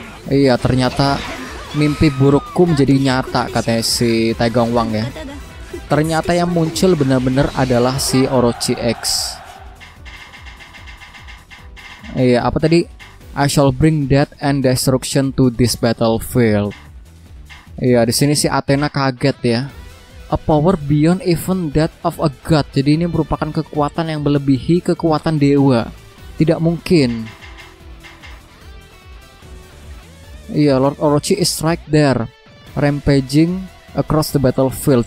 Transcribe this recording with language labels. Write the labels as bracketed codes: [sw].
[id] Iya, ternyata mimpi burukku menjadi nyata, katanya si Taigo Wang ya. Ternyata yang muncul benar-benar adalah si Orochi X. Iya, apa tadi? [en] I shall bring death and destruction to this battlefield. [id] Iya, di sini si Athena kaget ya. [en] A power beyond even that of a god. [id] Jadi ini merupakan kekuatan yang melebihi kekuatan dewa. Tidak mungkin. [en] Iya, Lord Orochi is right there, rampaging across the battlefield.